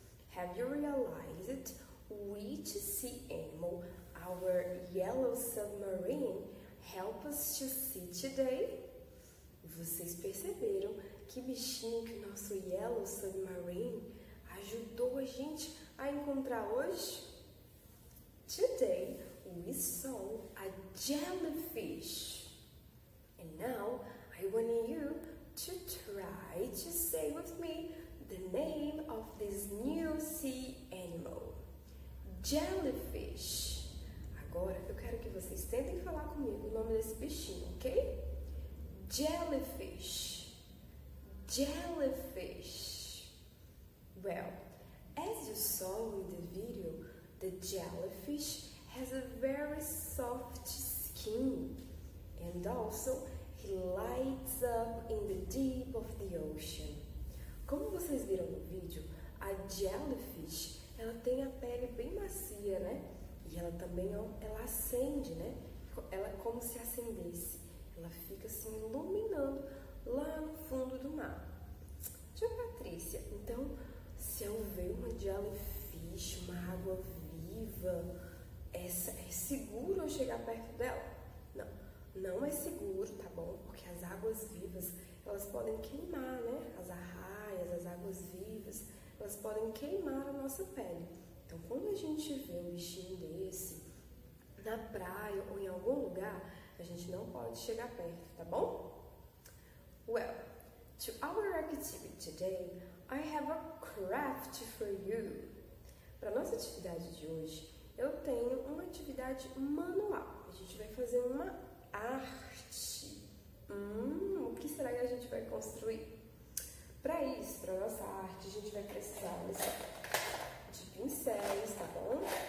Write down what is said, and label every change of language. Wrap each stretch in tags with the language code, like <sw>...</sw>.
<en>Have you realized which sea animal our yellow submarine help us to see today?</en> <pt>Vocês perceberam que bichinho que o nosso</pt> <en>yellow submarine</en> <pt>ajudou a gente a encontrar hoje?</pt> <en>Today we saw a jellyfish. And now I want you to try to say with me the name of this new sea animal, jellyfish.</en> <pt>Agora eu quero que vocês tentem falar comigo o nome desse bichinho, ok?</pt> <en>Jellyfish. Jellyfish. Well, as you saw in the video, the jellyfish has a very soft skin and also he lights up in the deep of the ocean.</en> <pt>Como vocês viram no vídeo, a jellyfish, ela tem a pele bem macia, né? E ela também, ela acende, né? Ela é como se acendesse. Ela fica assim, iluminando lá no fundo do mar. Tia Patrícia, então, se eu ver uma jellyfish, uma água viva, essa é seguro eu chegar perto dela? Não, não é seguro, tá bom? Porque as águas vivas, elas podem queimar, né? As arraias, as águas vivas, elas podem queimar a nossa pele. Então, quando a gente vê um bichinho desse na praia ou em algum lugar, a gente não pode chegar perto, tá bom?</pt> <en>Well, to our activity today, I have a craft for you.</en> <pt>Para nossa atividade de hoje, eu tenho uma atividade manual. A gente vai fazer uma arte. O que será que a gente vai construir? Para isso, para nossa arte, a gente vai precisar de pincéis, tá bom?</pt>